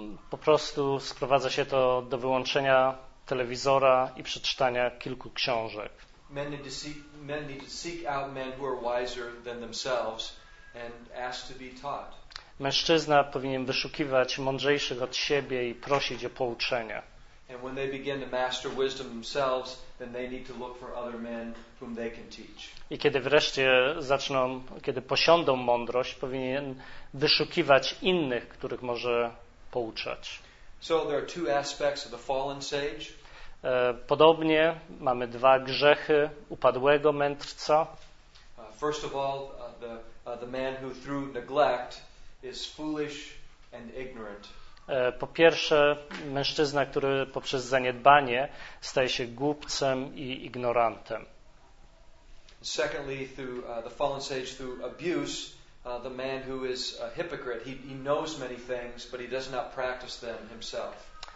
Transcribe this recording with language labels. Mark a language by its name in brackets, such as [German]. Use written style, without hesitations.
[Polish] Po prostu sprowadza się to do wyłączenia telewizora i przeczytania kilku książek. [English] Men need to seek out men who are wiser than themselves and ask to be taught. [Polish] Mężczyzna powinien wyszukiwać mądrzejszych od siebie i prosić o pouczenia. [English] And when they begin to master wisdom themselves, then they need to look for other men whom they can teach. [Polish] I kiedy wreszcie zaczną, kiedy posiądą mądrość, powinien wyszukiwać innych, których może pouczać. [English] So there are two aspects of the fallen sage. [Polish] Podobnie mamy dwa grzechy upadłego mędrca. [English] First of all, the man who through neglect is foolish and ignorant. [Polish] Po pierwsze, mężczyzna, który poprzez zaniedbanie staje się głupcem i ignorantem. [English] Secondly, through the fallen sage, through abuse, the man who is a hypocrite, he knows many things, but he does not practice them himself.